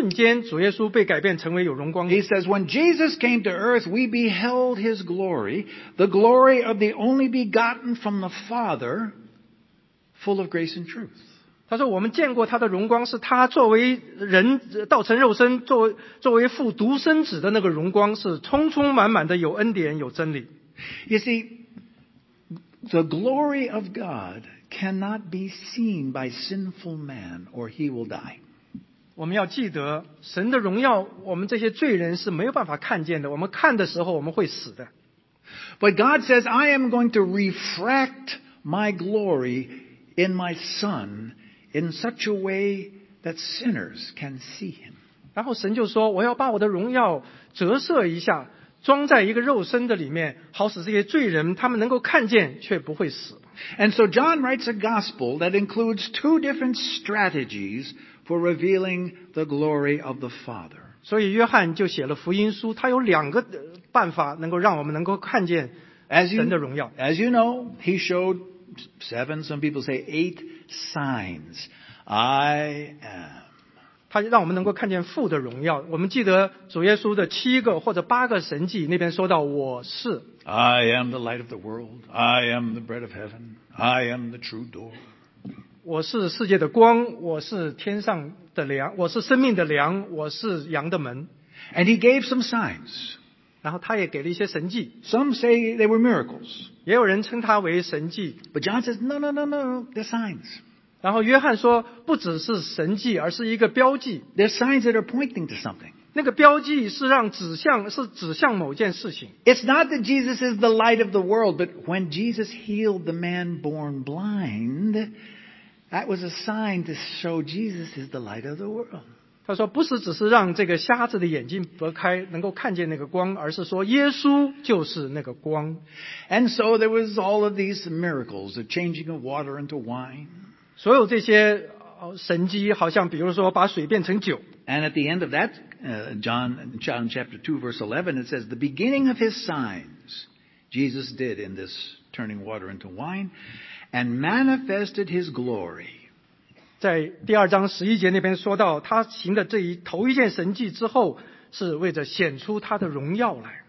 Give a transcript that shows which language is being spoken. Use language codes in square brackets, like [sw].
[zh] 他不是在说那个好像只是瞬间主耶稣被改变成为有荣光的。 [en] He says, when Jesus came to earth, we beheld his glory, the glory of the only begotten from the Father, full of grace and truth. [zh] 他说我们见过他的荣光, 是他作为人道成肉身, 作为父独生子的那个荣光, 是充充满满的有恩典有真理。 [en] You see, the glory of God cannot be seen by sinful man or he will die. [zh] 我们要记得, 神的荣耀, 我们这些罪人是没有办法看见的, 我们看的时候, 我们会死的。 [en] But God says, I am going to refract my glory in my Son in such a way that sinners can see him. [zh] 然后神就说, 我要把我的荣耀折射一下, 装在一个肉身的里面,好使这些罪人他们能够看见却不会死。 [en] And so John writes a gospel that includes two different strategies for revealing the glory of the Father. [zh] 所以约翰就写了福音书, 他有两个办法能够让我们能够看见神的荣耀。 [en] As you know, he showed seven, some people say eight signs. I am. [zh] 他让我们能够看见父的荣耀, 我们记得主耶稣的七个或者八个神迹那边说到我是。 [en] I am the light of the world. I am the bread of heaven. I am the true door. [zh] 我是世界的光, 我是天上的粮, 我是生命的粮, 我是羊的门。 [en] And he gave some signs. [zh] 然后他也给了一些神迹。 [en] Some say they were miracles. [zh] 也有人称他为神迹。 [en] But John says, no, they're signs. [zh] 然后约翰说, 不只是神迹, 而是一个标记。 [en] There's signs that are pointing to something. [zh] 那个标记是让指向, 是指向某件事情。 [en] It's not that Jesus is the light of the world, but when Jesus healed the man born blind, that was a sign to show Jesus is the light of the world. [zh] 他说, 不是只是让这个瞎子的眼睛拨开, 能够看见那个光, 而是说耶稣就是那个光。 [en] And so there was all of these miracles, the changing of water into wine. [zh] 所有这些神迹, 好像比如说把水变成酒。 [en] And at the end of that John chapter 2, verse 11, it says, the beginning of his signs Jesus did in this turning water into wine and manifested his glory. [zh] 在第二章十一节那边说到他行的这一头一件神迹之后是为着显出他的荣耀来。